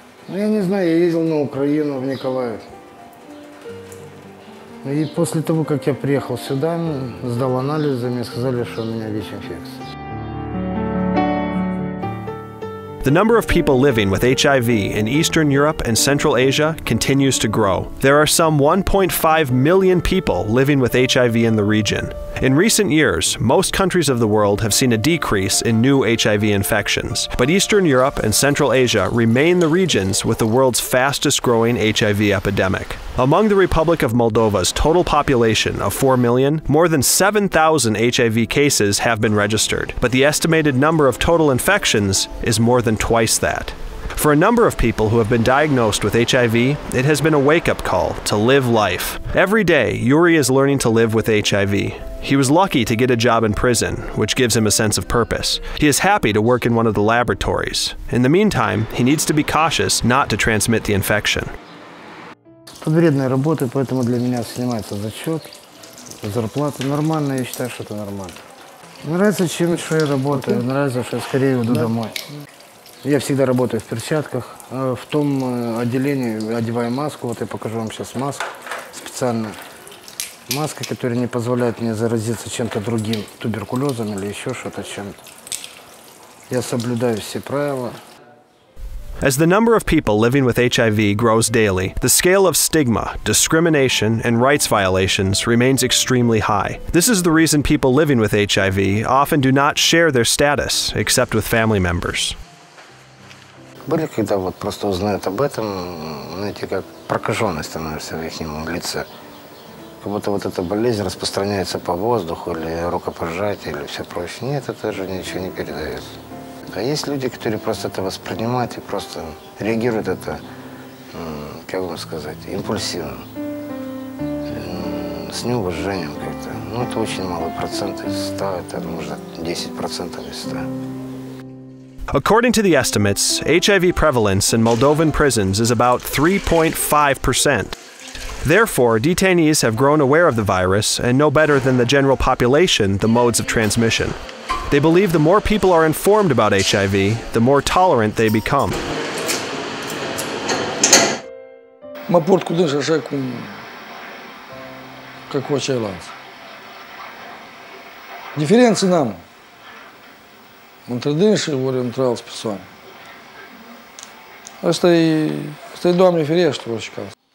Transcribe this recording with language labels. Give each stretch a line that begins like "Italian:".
Russian: Я не знаю, я ездил на Украину, в Николаев. И после того, как я приехал сюда, сдал анализы, мне сказали, что у меня ВИЧ-инфекция.
English: The number of people living with HIV in Eastern Europe and Central Asia continues to grow. There are some 1.5 million people living with HIV in the region. In recent years, most countries of the world have seen a decrease in new HIV infections, but Eastern Europe and Central Asia remain the regions with the world's fastest growing HIV epidemic. Among the Republic of Moldova's total population of 4 million, more than 7,000 HIV cases have been registered, but the estimated number of total infections is more than twice that. For a number of people who have been diagnosed with HIV, it has been a wake-up call to live life. Every day, Yuri is learning to live with HIV. He was lucky to get a job in prison, which gives him a sense of purpose. He is happy to work in one of the laboratories. In the meantime, he needs to be cautious not to transmit the infection.
Russian: Вредной работы, поэтому для меня снимается зачет, зарплата нормальная, я считаю, что это нормально. Нравится, чем что я работаю, нравится, что я скорее уйду домой. Я всегда работаю в перчатках, в том отделении одеваю маску, вот я покажу вам сейчас маску специальную. Маска, которая не позволяет мне заразиться чем-то другим, туберкулезом или еще что-то чем-то. Я соблюдаю все правила.
English: As the number of people living with HIV grows daily, the scale of stigma, discrimination, and rights violations remains extremely high. This is the reason people living with HIV often do not share their status, except with family members.
Russian: Были, когда вот просто узнают об этом, знаете, как прокаженность становится в их лице. Как будто вот эта болезнь распространяется по воздуху, или рукопожатие, или все прочее. Нет, это же ничего не передает. А есть люди, которые просто это воспринимают и просто реагируют это, как вам сказать, импульсивно, с неуважением как-то. Ну, это очень малый процент из 100, это, может, 10% из 100.
English: According to the estimates, HIV prevalence in Moldovan prisons is about 3.5%. Therefore, detainees have grown aware of the virus and know better than the general population the modes of transmission. They believe the more people are informed about HIV, the more tolerant they become.
Romanian: Ma port cu dânsa așa cum ca cu ceilalți. Diferență n-am. Între dânsa și ori între alți persoane. Asta e Doamne ferește, orice caz.